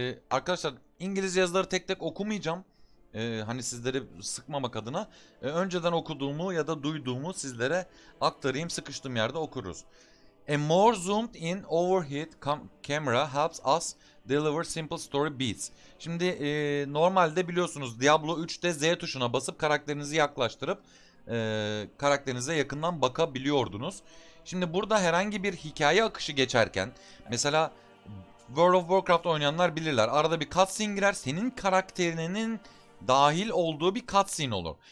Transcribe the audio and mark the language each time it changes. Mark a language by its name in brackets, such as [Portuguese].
[Turkish] Arkadaşlar İngilizce yazıları tek tek okumayacağım. Hani sizleri sıkmamak adına önceden okuduğumu ya da duyduğumu sizlere aktarayım. Sıkıştığım yerde okuruz. [English] A more zoomed in overhead camera helps us deliver simple story beats. [Turkish] Şimdi normalde biliyorsunuz Diablo 3'te Z tuşuna basıp karakterinizi yaklaştırıp karakterinize yakından bakabiliyordunuz. Şimdi burada herhangi bir hikaye akışı geçerken mesela World of Warcraft oynayanlar bilirler. Arada bir cutscene girer, senin karakterinin dahil olduğu bir cutscene olur.